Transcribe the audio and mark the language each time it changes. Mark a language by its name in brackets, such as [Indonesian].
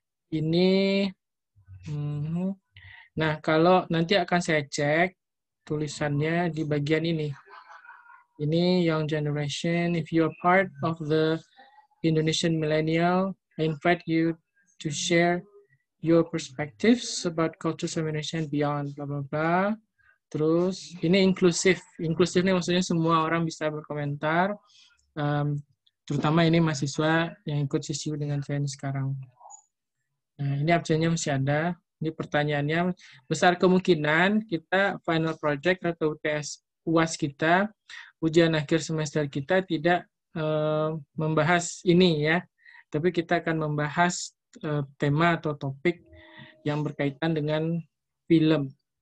[Indonesian] Ini nah, kalau nanti akan saya cek tulisannya di bagian ini. Ini [English] young generation, if you are part of the Indonesian millennial, I invite you to share your perspectives about cultures of Indonesia and beyond, blah, blah, blah. [Indonesian] Terus, ini inklusif. Inklusif ini maksudnya semua orang bisa berkomentar, terutama ini mahasiswa yang ikut sesi dengan saya sekarang. Nah, ini absennya masih ada. Ini pertanyaannya, besar kemungkinan kita final project atau UTS UAS kita, ujian akhir semester kita tidak membahas ini ya, tapi kita akan membahas tema atau topik yang berkaitan dengan film.